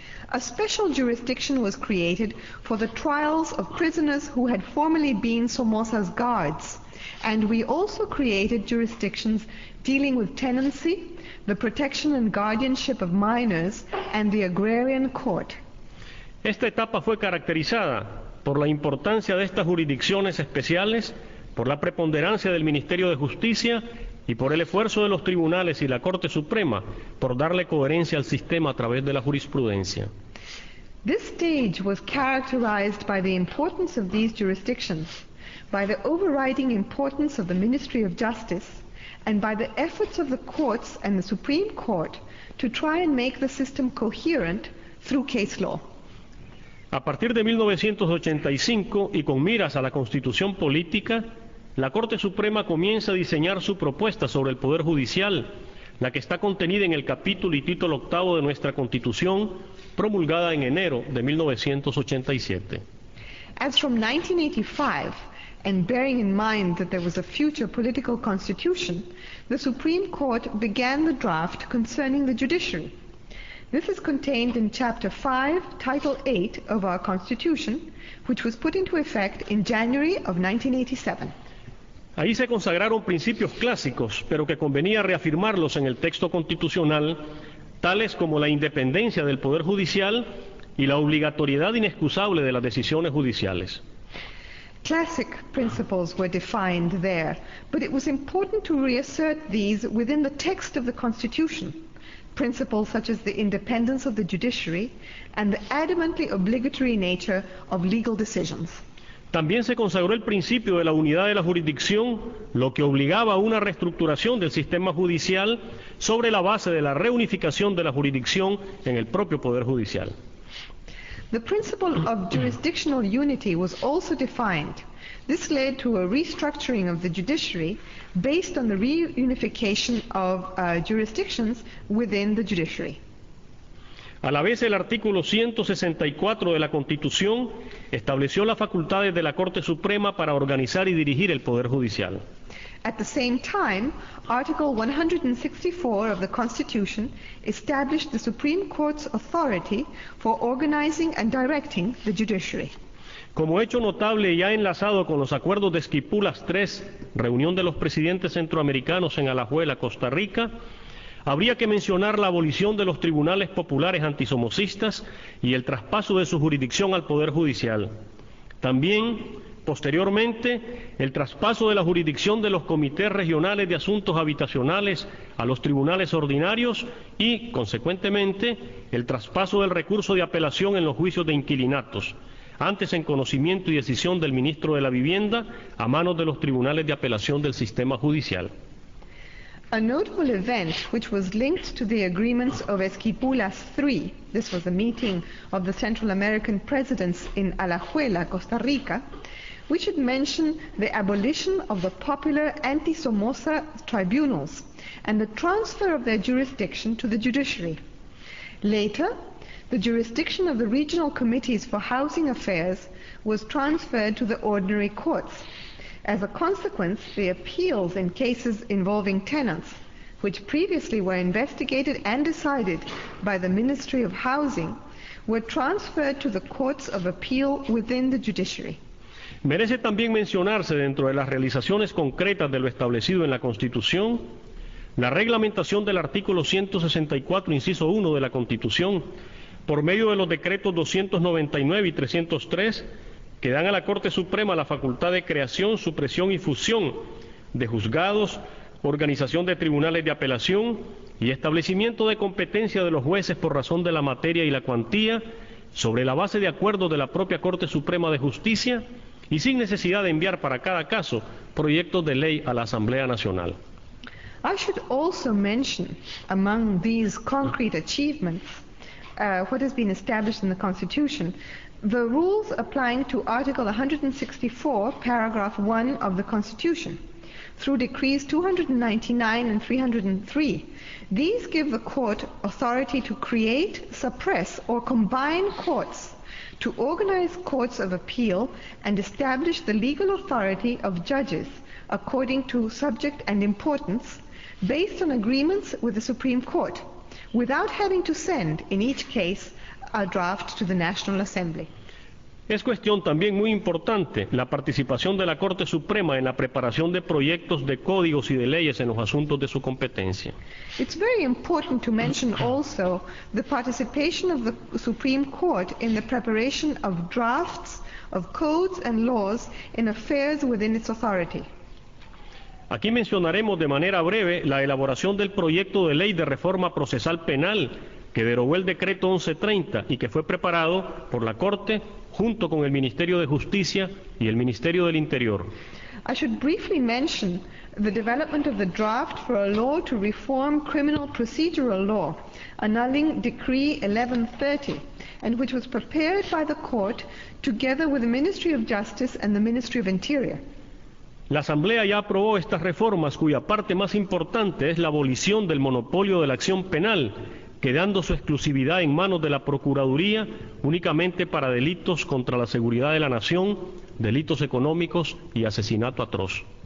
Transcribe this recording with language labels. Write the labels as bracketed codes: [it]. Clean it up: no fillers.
[en] A special jurisdiction was created for the trials of prisoners who had formerly been Somoza's guards, and we also created jurisdictions dealing with tenancy, the protection and guardianship of minors, and the agrarian court. [es] Esta etapa fue caracterizada por la importancia de estas jurisdicciones especiales, por la preponderancia del Ministerio de Justicia y por el esfuerzo de los tribunales y la Corte Suprema por darle coherencia al sistema a través de la jurisprudencia. [en] This stage was characterized by the importance of these jurisdictions, by the overriding importance of the Ministry of Justice, and by the efforts of the courts and the Supreme Court to try and make the system coherent through case law. [es] A partir de 1985 y con miras a la Constitución Política, la Corte Suprema comienza a diseñar su propuesta sobre el Poder Judicial, la que está contenida en el capítulo y título octavo de nuestra Constitución, promulgada en enero de 1987. [en] As from 1985, and bearing in mind that there was a future political constitution, the Supreme Court began the draft concerning the judiciary. This is contained in Chapter 5, Title 8 of our Constitution, which was put into effect in January of 1987. [es] Ahí se consagraron principios clásicos, pero que convenía reafirmarlos en el texto constitucional, tales como la independencia del Poder Judicial y la obligatoriedad inexcusable de las decisiones judiciales. [en] Classic principles were defined there, but it was important to reassert these within the text of the Constitution. Principles such as the independence of the judiciary and the adamantly obligatory nature of legal decisions. [es] También se consagró el principio de la unidad de la jurisdicción, lo que obligaba a una reestructuración del sistema judicial sobre la base de la reunificación de la jurisdicción en el propio Poder Judicial. [en] The principle of jurisdictional unity was also defined. This led to a restructuring of the judiciary based on the reunification of jurisdictions within the judiciary. [es] A la vez, el artículo 164 de la Constitución estableció las facultades de la Corte Suprema para organizar y dirigir el Poder Judicial. [en] At the same time, Article 164 of the Constitution established the Supreme Court's authority for organizing and directing the judiciary. [es] Como hecho notable y ya enlazado con los acuerdos de Esquipulas III, reunión de los presidentes centroamericanos en Alajuela, Costa Rica, habría que mencionar la abolición de los tribunales populares antisomocistas y el traspaso de su jurisdicción al Poder Judicial. También, posteriormente, el traspaso de la jurisdicción de los comités regionales de asuntos habitacionales a los tribunales ordinarios y, consecuentemente, el traspaso del recurso de apelación en los juicios de inquilinatos, antes en conocimiento y decisión del ministro de la Vivienda, a manos de los tribunales de apelación del sistema judicial. [en] A notable event which was linked to the agreements of Esquipulas III, this was a meeting of the Central American presidents in Alajuela, Costa Rica, we should mention the abolition of the popular anti-Somoza tribunals and the transfer of their jurisdiction to the judiciary. Later, the jurisdiction of the regional committees for housing affairs was transferred to the ordinary courts. As a consequence, the appeals in cases involving tenants, which previously were investigated and decided by the Ministry of Housing, were transferred to the courts of appeal within the judiciary. [es] Merece también mencionarse dentro de las realizaciones concretas de lo establecido en la Constitución, la reglamentación del artículo 164, inciso 1 de la Constitución, por medio de los decretos 299 y 303, que dan a la Corte Suprema la facultad de creación, supresión y fusión de juzgados, organización de tribunales de apelación y establecimiento de competencia de los jueces por razón de la materia y la cuantía, sobre la base de acuerdos de la propia Corte Suprema de Justicia y sin necesidad de enviar para cada caso proyectos de ley a la Asamblea Nacional. [en] I should also mention among these concrete achievements what has been established in the Constitution the rules applying to Article 164, paragraph 1 of the Constitution, through decrees 299 and 303. These give the court authority to create, suppress, or combine courts, to organize courts of appeal, and establish the legal authority of judges according to subject and importance, based on agreements with the Supreme Court, without having to send, in each case, a draft to the National Assembly. [es] Es cuestión también muy importante la participación de la Corte Suprema en la preparación de proyectos de códigos y de leyes en los asuntos de su competencia. [en] It's very important to mention also the participation of the Supreme Court in the preparation of drafts of codes and laws in affairs within its authority. [es] Aquí mencionaremos de manera breve la elaboración del proyecto de ley de reforma procesal penal que derogó el decreto 1130 y que fue preparado por la Corte junto con el Ministerio de Justicia y el Ministerio del Interior. [en] I should briefly mention the development of the draft for a law to reform criminal procedural law, annulling Decree 1130, and which was prepared by the Court together with the Ministry of Justice and the Ministry of Interior. [es] La Asamblea ya aprobó estas reformas, cuya parte más importante es la abolición del monopolio de la acción penal, quedando su exclusividad en manos de la Procuraduría únicamente para delitos contra la seguridad de la nación, delitos económicos y asesinato atroz.